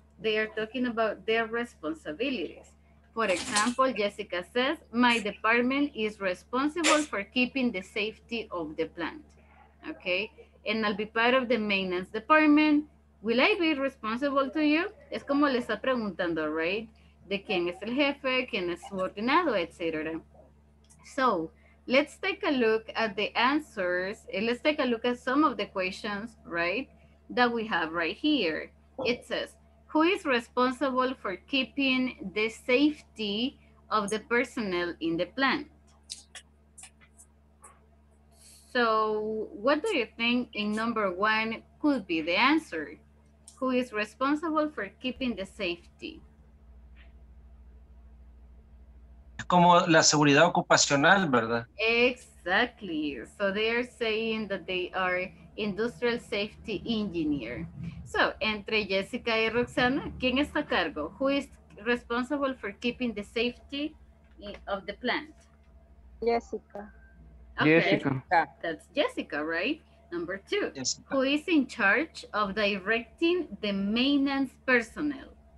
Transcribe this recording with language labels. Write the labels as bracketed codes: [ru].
[en] They are talking about their responsibilities. For example, Jessica says, my department is responsible for keeping the safety of the plant. Okay. And I'll be part of the maintenance department. Will I be responsible to you? [es] Es como le está preguntando, [en] right? [es] De quién es el jefe, quién es subordinado, etc. [en] So, let's take a look at the answers. Let's take a look at some of the questions, right, that we have right here. It says, who is responsible for keeping the safety of the personnel in the plant? So, what do you think in number one could be the answer? Who is responsible for keeping the safety? [es] Como la seguridad ocupacional, ¿verdad? [en] Exactly. So they are saying that they are industrial safety engineer. [es] So, entre Jessica y Roxana, ¿quién está a cargo? [en] Who is responsible for keeping the safety of the plant? Jessica. Okay. Jessica. That's Jessica, right? Number two. Jessica. Who is in charge of directing the maintenance personnel?